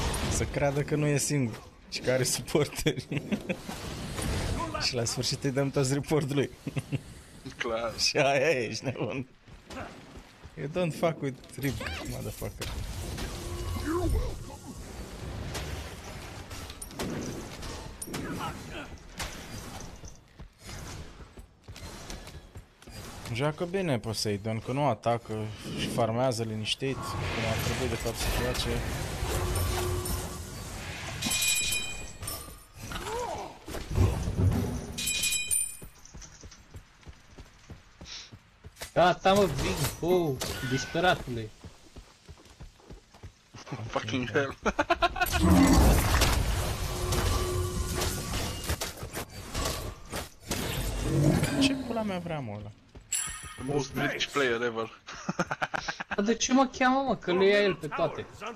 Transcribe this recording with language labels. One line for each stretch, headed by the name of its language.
Romanian: Să creadă că nu e singur și că are suporteri. Și la sfârșit îi dăm toți report lui. Clar. Și aia ești nebun.
English: You don't fuck with Rip, motherfucker. You're welcome.
Romanian: Joacă bine Poseidon, că nu atacă și farmează liniștit, cum ar trebui de fapt să joace. Gata, mă, Vig, oh, disperatule.
English: Fucking hell.
Romanian: Ce pula mea vrea, mă, ăla?
English: The most British player ever.
Romanian: Dar de ce mă cheamă, mă, că le ia el pe toate?